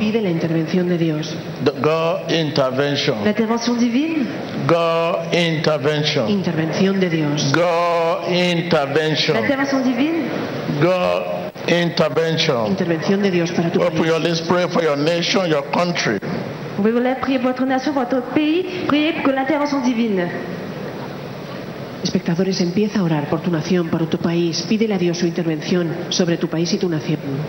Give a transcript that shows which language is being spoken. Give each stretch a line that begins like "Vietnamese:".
Spanish: Pide la intervención de Dios.
English: God intervention.
Spanish: La intervención divina.
English: God intervention.
Spanish: Intervención de Dios.
English: God intervention.
Spanish: La intervención divina.
English: God intervention.
Spanish: Intervención de Dios para tu país.
English: Open your lips, pray for your nation, your country.
French: Ouvrez-vous les, priez votre nation, votre pays, priez pour l'intervention divine.
Spanish: Espectadores, empieza a orar por tu nación, por tu país. Pídele a Dios su intervención sobre tu país y tu nación.